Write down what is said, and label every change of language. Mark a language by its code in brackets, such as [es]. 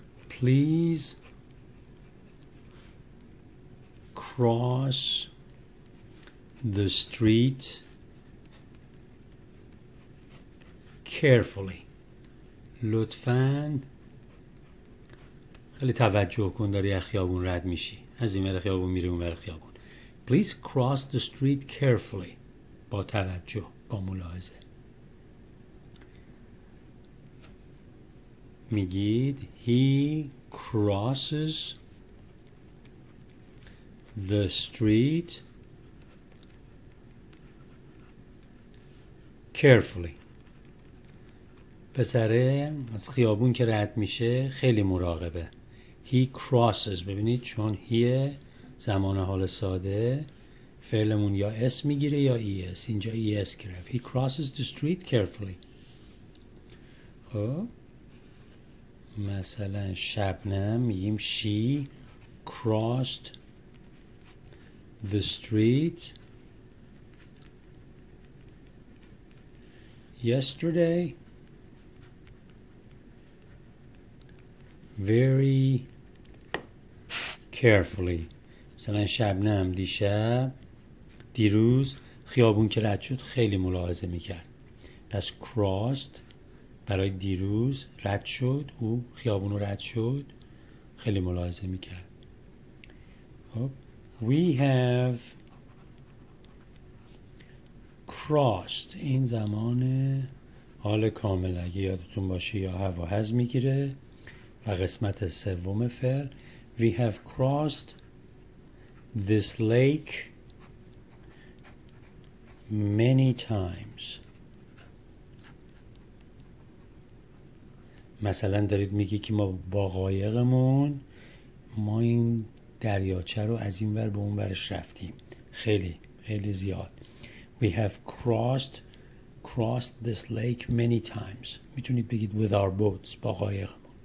[en] Please cross the street carefully. [fa] لطفاً خیلی توجه کن، داری از خیابون رد میشی، از این ور خیابون میری اون ور خیابون. [en] Please cross the street carefully. [fa] با توجه، با ملاحظه. میگید [en] He crosses the street carefully. [fa] پسره از خیابون که رد میشه خیلی مراقبه. [en] He crosses. [fa] ببینید چون هیه زمان حال ساده، فعلمون یا اس میگیره یا ای اس، اینجا ای اس گرفت. [en] He crosses the street carefully. [fa] خب مثلا شبنم میگیم [en] she crossed the street yesterday very carefully. [fa] مثلا شبنم دیشب، دیروز خیابون که رد شد خیلی ملاحظه میکرد. پس crossed برای دیروز، رد شد، او خیابون رو رد شد، خیلی ملاحظه میکرد. [en] We have crossed. [fa] این زمان حال کامل اگه یادتون باشه، یا هوا هز میگیره و قسمت سوم فعل. [en] We have crossed this lake many times. [fa] مثلا دارید میگی که ما با قایقمون ما این دریاچه رو از این ور به اون ورش رفتیم خیلی خیلی زیاد. [en] We have crossed this lake many times. [fa] میتونید بگید [en] with our boats، [fa] با قایقم.